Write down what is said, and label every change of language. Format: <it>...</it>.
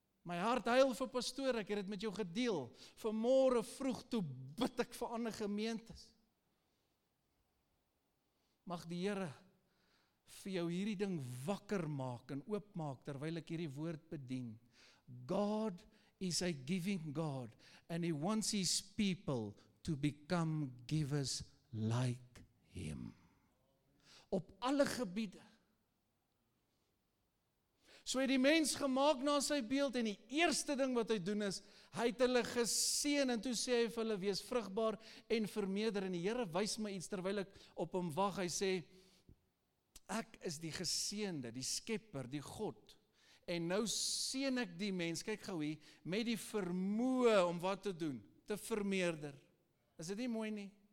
<af>My hart huil vir pastoor, ek het dit met jou gedeel. Vanmôre vroeg toe bid ek vir ander gemeentes. Mag die Here vir jou hierdie ding wakker maak en oopmaak terwyl ek hierdie woord bedien.</af> <en>God is a giving God and he wants his people to become givers like him.</en> <af>Op alle gebiede. So het die mens gemaak na sy beeld, en die eerste ding wat hy doen is, hy het hulle geseën, en toe sê hy vir hulle, wees vrugbaar en vermeerder, en die Here wys my iets, terwyl ek op hom wag, hy sê, ek is die geseënde, die skepper, die God, en nou seën ek die mens, kyk gou hier, met die vermoë om wat te doen, te vermeerder, is dit nie mooi nie,</af>